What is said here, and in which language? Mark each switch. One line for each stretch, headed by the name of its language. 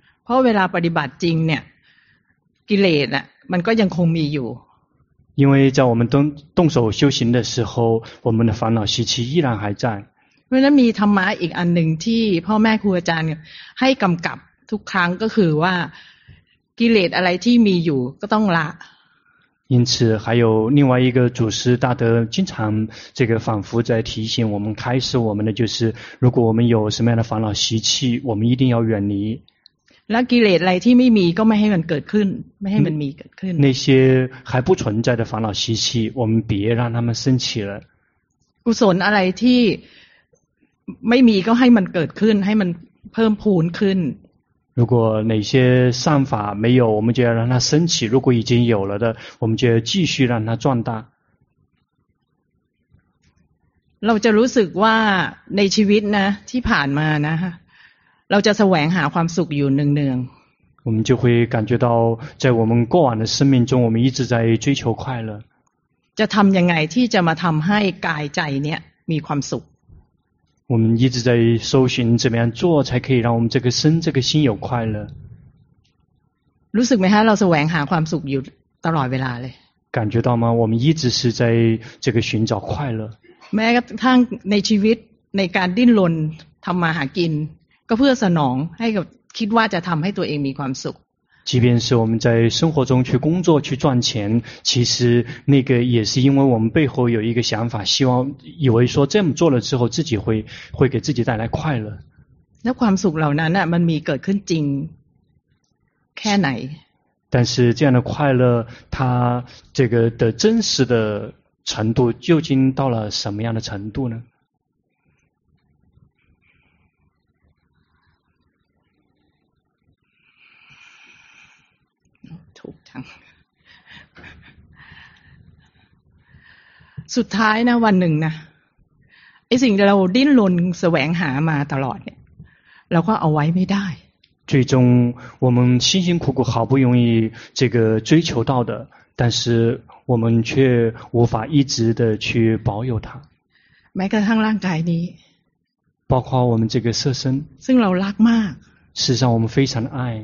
Thai: เพราะเวลาปฏิบัติจริงเนี่ยกิเลสน่ะมันก็ยังคงมีอยู่
Chinese: 因为在我们动手修行的时候我们的烦恼习气依然还在
Thai: เพราะนั้นมีธรรมะอีกอันหนึ่งที่พ่อแม่ครูอาจารย์ให้กำกับทุกครั้งก็คือว่ากิเลสอะไรที่มีอยู่ก็ต้องละ
Chinese: 因此还有另外一个祖师大德经常这个反复在提醒我们开示我们的就是如果我们有什么样的烦恼习气我们一定要远离
Thai: และกิเลสอะไรที่ไม่มีก็ไม่ให้มันเกิดขึ้นไม่ให้มันมีเกิดขึ้น
Chinese: 那些还不存在的烦恼习气我们别让他们升起了
Thai: กุศลอะไรที่ไม่มีก็ให้มันเกิดขึ้นให้มันเพิ่มพูนขึ้น
Chinese: 如果哪些善法没有我们就要让它升起如果已经有了的我们就要继续让它壮大
Thai: เราจะรู้สึกว่าในชีวิตนะที่ผ่านมานะฮะเราจะแสวงหาความสุขอยู่เนือง
Chinese: ๆ我们就会感觉到在我们过往的生命中我们一直在追求快乐
Thai: จะทำยังไงที่จะมาทำให้กายใจเนี่ยมีความสุข
Chinese: 我们一直在搜寻怎么样做才可以让我们这个身这个心有快乐
Thai: รู้สึกไหมฮะเราแสวงหาความสุขอยู่ตลอดเวลาเลย
Chinese: 感觉到吗我们一直是在这个寻找快乐
Thai: แม้กระทั่งในชีวิตในการดิ้นรนทำมาหากินก็เพื่อสนองให้กับคิดว่าจะทำให้ตัวเองมีความสุข
Chinese: 即便是我们在生活中去工作去赚钱其实那个也是因为我们背后有一个想法希望以为说这么做了之后自己会给自己带来快乐
Thai: แล้วความสุขเหล่านั้นมันมีเกิดขึ้นจริงแค่ไหน
Chinese: 但是这样的快乐它这个的真实的程度究竟到了什么样的程度呢？头疼。
Thai: สุดท้ายนะวันหนึ่งนะไอ้สิ่งที่เราดิ้นรนแสวงหามาตลอดเนี่ยเราก็เอาไว้ไม่ได้
Chinese: 最终我们辛辛苦苦好不容易这个追求到的但是我们却无法一直的去保有它
Thai: แม้กระทั่งร่างกายนี้
Chinese: 包括我们这个色身
Thai: ซึ่งเรารักมาก
Chinese: 事实上我们非常爱